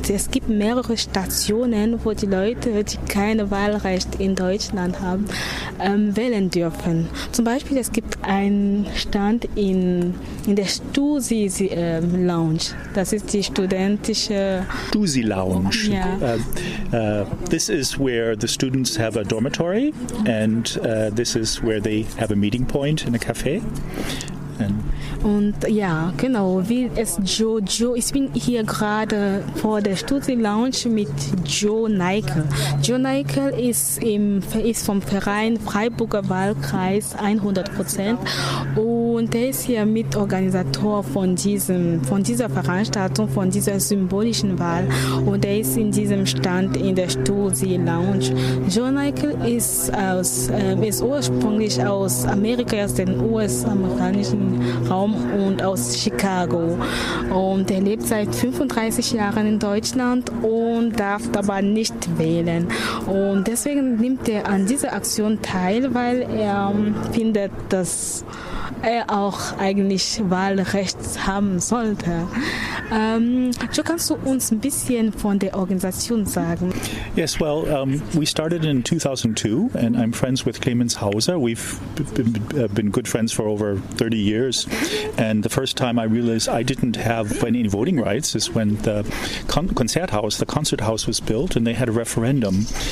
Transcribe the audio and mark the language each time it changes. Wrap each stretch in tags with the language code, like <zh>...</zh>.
<de>Es gibt mehrere Stationen, wo die Leute, die kein Wahlrecht in Deutschland haben, wählen dürfen. Zum Beispiel, es gibt einen Stand in der Stusi Lounge. Das ist die studentische Stusi Lounge. Ja.</de> <en>This is where the students have a dormitory and this is where they have a meeting point in a cafe.</en> <de>Und ja, genau, wie es Joe, ich bin hier gerade vor der Studi-Lounge mit Joe Neikel. Joe Neikel ist vom Verein Freiburger Wahlkreis 100% und er ist hier Mitorganisator von dieser Veranstaltung, von dieser symbolischen Wahl und er ist in diesem Stand in der Studi-Lounge. Joe Neikel ist ursprünglich aus Amerika, aus den US-amerikanischen Raum und aus Chicago und er lebt seit 35 Jahren in Deutschland und darf aber nicht wählen und deswegen nimmt er an dieser Aktion teil, weil er findet, dass er auch eigentlich Wahlrecht haben sollte. Joe, kannst du uns ein bisschen von der Organisation sagen?</de> <en>Yes, well, we started in 2002 and I'm friends with Clemens Hauser. We've been good friends for over 30 years. And the first time I realized I didn't have any voting rights is when the Konzerthaus, the concert house was built and they had a referendum.</en>